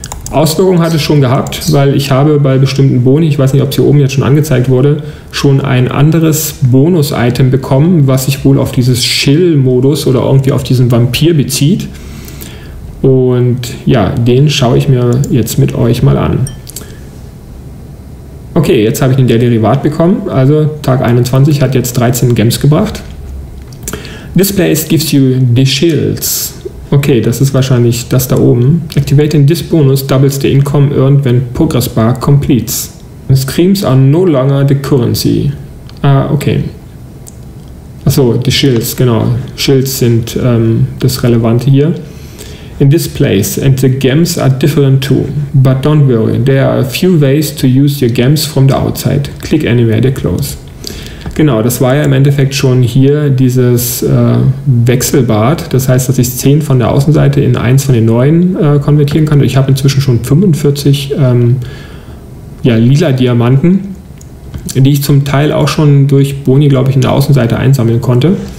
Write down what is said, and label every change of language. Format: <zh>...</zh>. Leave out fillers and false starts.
<de>Auswirkungen hat es schon gehabt, weil ich habe bei bestimmten Boni, ich weiß nicht, ob es hier oben jetzt schon angezeigt wurde, schon ein anderes Bonus-Item bekommen, was sich wohl auf dieses Chill-Modus oder irgendwie auf diesen Vampir bezieht. Und ja, den schaue ich mir jetzt mit euch mal an. Okay, jetzt habe ich den Derivat bekommen, also Tag 21 hat jetzt 13 Gems gebracht.</de> <en>This place gives you the shields.</en> <de>Okay, das ist wahrscheinlich das da oben.</de> <en>Activating this bonus doubles the income earned when progress bar completes. Screams are no longer the currency.</en> <de>Ah, okay. Achso,</de> <en>the shields,</en> <de>genau. Shields sind das Relevante hier.</de> <en>In this place, and the gems are different too. But don't worry, there are a few ways to use your gems from the outside. Click anywhere to close.</en> <de>Genau, das war ja im Endeffekt schon hier dieses Wechselbad. Das heißt, dass ich 10 von der Außenseite in 1 von den neuen konvertieren kann. Ich habe inzwischen schon 45 lila Diamanten, die ich zum Teil auch schon durch Boni, glaube ich, in der Außenseite einsammeln konnte.</de>